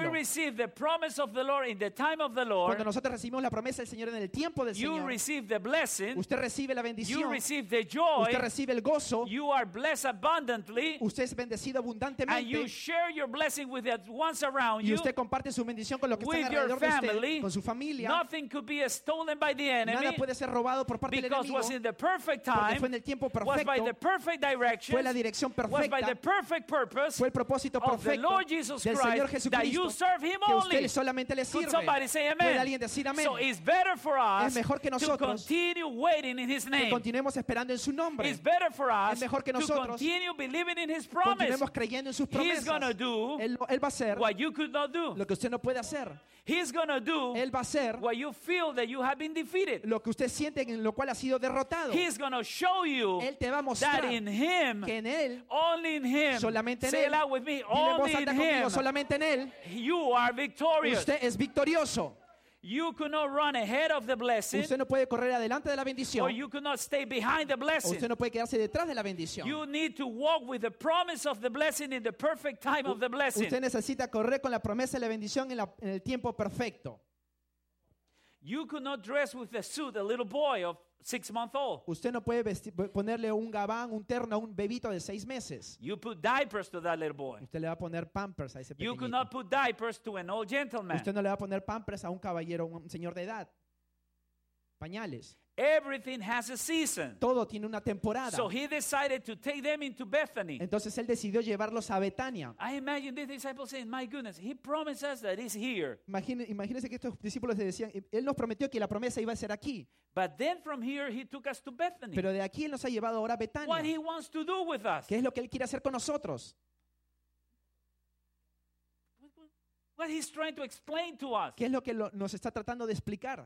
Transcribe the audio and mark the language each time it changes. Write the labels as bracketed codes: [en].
[en] When we receive the promise of the Lord in the time of the Lord, [es] cuando nosotros recibimos la promesa del Señor en el tiempo del [en] you [es] Señor, [en] you receive the blessing, [es] usted recibe la bendición, [en] you receive the joy, [es] usted recibe el gozo, [en] you are blessed abundantly, [es] usted es bendecido abundantemente, [en] and you share your blessing with the ones around you, [es] y usted comparte su bendición con los que están alrededor [en] family, [es] de usted, con su familia. [en] Nothing could could be stolen by the enemy. [es] Nada puede ser robado por parte del enemigo. [en] Because was in the perfect time. [es] Porque fue en el tiempo perfecto. [en] Was by the perfect direction. [es] Fue la dirección perfecta. [en] Was by the perfect purpose. [es] Fue el propósito perfecto. [en] Of the Lord Jesus Christ. [es] Del Señor Jesucristo. [en] That you serve Him only. [es] Que usted solamente le sirve. [en] Could somebody say amen? [es] ¿Puede alguien decir amén? [en] So it's better for us. [es] Es mejor que nosotros. [en] To continue waiting in His name. [es] Que continuemos esperando en su nombre. [en] It's better for us. [es] Es mejor que nosotros. [en] To continue believing in His promise. [es] Continuemos creyendo en sus promesas. [en] He's gonna do. [es] Él va a hacer. [en] What you could not do. [es] Lo que usted no puede hacer. [en] He's gonna do. [es] Él va a hacer. [en] What you feel that you have been defeated. [es] Lo que usted siente en lo cual ha sido derrotado. [en] He's gonna show you. [es] Él te va a mostrar. [en] That in Him. [es] Que en él. [en] Only in Him. [es] Solamente en [en] say [es] él. [en] Say it with me. Only in Him. [es] Solamente en él. [en] You are victorious. [es] Usted es victorioso. [en] You could not run ahead of the blessing. [es] Usted no puede correr adelante de la bendición. [en] Or you could not stay behind the blessing. [es] Usted no puede quedarse detrás de la bendición. [en] You need to walk with the promise of the blessing in the perfect time of the blessing. [es] Usted necesita correr con la promesa de la bendición en el tiempo perfecto. [en] You could not dress with the suit a little boy of 6 months old. [es] Usted no puede ponerle un gabán, un terno a un bebito de 6 meses. [en] You put diapers to that little boy. [es] Usted le va a poner pampers a ese pequeñito. [en] You could not put diapers to an old gentleman. [es] Usted no le va a poner pampers a un caballero, un señor de edad. Pañales. [en] Everything has a season. [es] Todo tiene una temporada. [en] So he decided to take them into Bethany. [es] Entonces él decidió llevarlos a Betania. [en] I imagine these disciples saying, "My goodness, he promised us that he's here." [es] Imagínese que estos discípulos decían, él nos prometió que la promesa iba a ser aquí. [en] But then from here he took us to Bethany. [es] Pero de aquí él nos ha llevado ahora a Betania. [en] What he wants to do with us? [es] ¿Qué es lo que él quiere hacer con nosotros? [en] What he's trying to explain to us. [es] ¿Qué es lo que nos está tratando de explicar?